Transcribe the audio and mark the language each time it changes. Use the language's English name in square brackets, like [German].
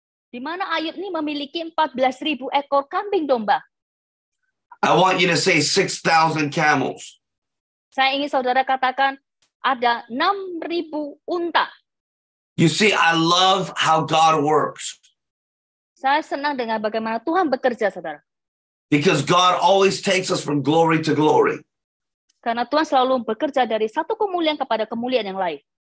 [Indonesian] Di mana Ayub ini memiliki 14,000 ekor kambing domba. [English] I want you to say 6,000 camels. [Indonesian] Saya ingin saudara katakan ada 6,000 unta. [English] You see, I love how God works. [Indonesian] Saya senang dengan bagaimana Tuhan bekerja, saudara. [English] Because God always takes us from glory to glory. [Indonesian] Karena Tuhan selalu bekerja dari satu kemuliaan kepada kemuliaan yang lain.